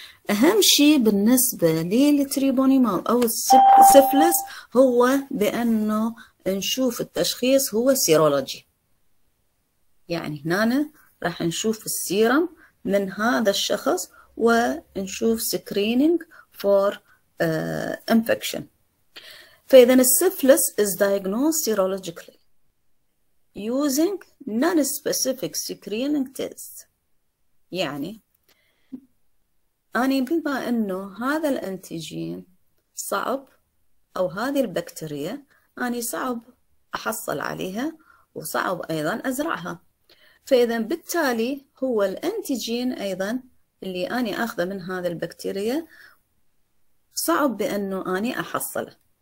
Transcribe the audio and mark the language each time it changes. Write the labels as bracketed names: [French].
[Arabic] أهم شيء بالنسبة للتريبونيمال أو السفلس هو بأنه نشوف التشخيص هو سيرولوجي. يعني هنا راح نشوف السيرم من هذا الشخص ونشوف سكرينينج فور انفكشن. فإذا السفلس [English] is diagnosed serologically using non-specific screening test. يعني [Arabic] أني بما أنه هذا الأنتيجين صعب أو هذه البكتيريا أني صعب أحصل عليها وصعب أيضا أزرعها، فإذا بالتالي هو الأنتيجين أيضا اللي أني أخذه من هذه البكتيريا صعب بأنه أني أحصله.